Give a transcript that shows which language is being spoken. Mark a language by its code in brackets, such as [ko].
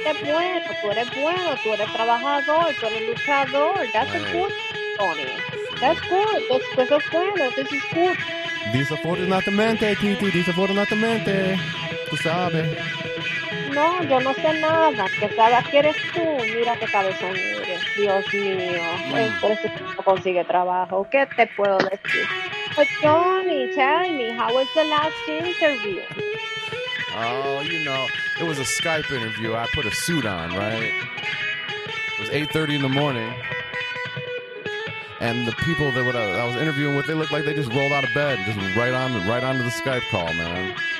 [es] Tú eres bueno, tú eres trabajador, tú eres luchador. [en] That's right. Good, Johnny. That's good, [es] eso es bueno, [en] this is good. [es] Desafortunadamente, Titi, desafortunadamente, tú sabes. No, yo no sé nada, que sabes que eres tú. Mira qué cabezón eres, Dios mío. Por eso no consigue trabajo, ¿qué te puedo decir? [en] But Johnny, tell me, how was the last interview? Oh, you know, it was a Skype interview. I put a suit on, right? It was 8:30 in the morning. And the people that I was interviewing with, they looked like they just rolled out of bed, just right onto the Skype call, man.